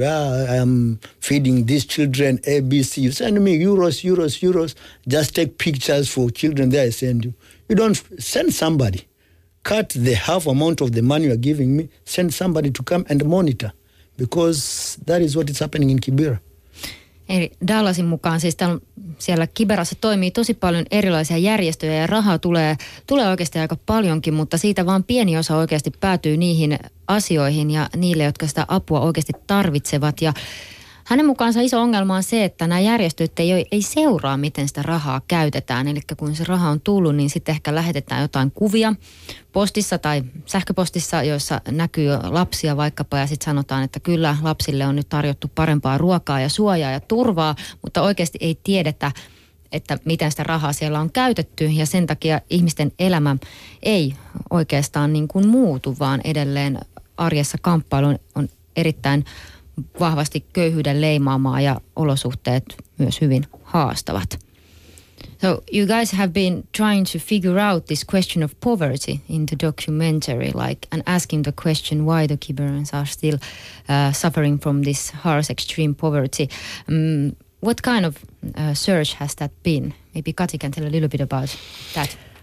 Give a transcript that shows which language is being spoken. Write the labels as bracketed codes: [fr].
[en] I am feeding these children ABC. You send me euros. Just take pictures for children there, I send you. You don't send somebody. Cut the half amount of the money you are giving me. Send somebody to come and monitor. Because that is what is happening in Kibera. [fi] Eli Dallasin mukaan siis siellä Kiberassa toimii tosi paljon erilaisia järjestöjä ja rahaa tulee oikeasti aika paljonkin, mutta siitä vaan pieni osa oikeasti päätyy niihin asioihin ja niille, jotka sitä apua oikeasti tarvitsevat. Ja hänen mukaansa iso ongelma on se, että nämä järjestöt ei seuraa, miten sitä rahaa käytetään. Eli kun se raha on tullut, niin sitten ehkä lähetetään jotain kuvia postissa tai sähköpostissa, joissa näkyy lapsia vaikkapa. Ja sitten sanotaan, että kyllä lapsille on nyt tarjottu parempaa ruokaa ja suojaa ja turvaa, mutta oikeasti ei tiedetä, että miten sitä rahaa siellä on käytetty. Ja sen takia ihmisten elämä ei oikeastaan niin kuin muutu, vaan edelleen arjessa kamppailu on erittäin vahvasti köyhyyden leimaamaa ja olosuhteet myös hyvin haastavat. [en] So you guys have been trying to figure out this question of poverty in the documentary, like, and asking the question why the Kiberans are still suffering from this harsh extreme poverty. What kind of search has that been? Maybe Kati can tell a little bit about that.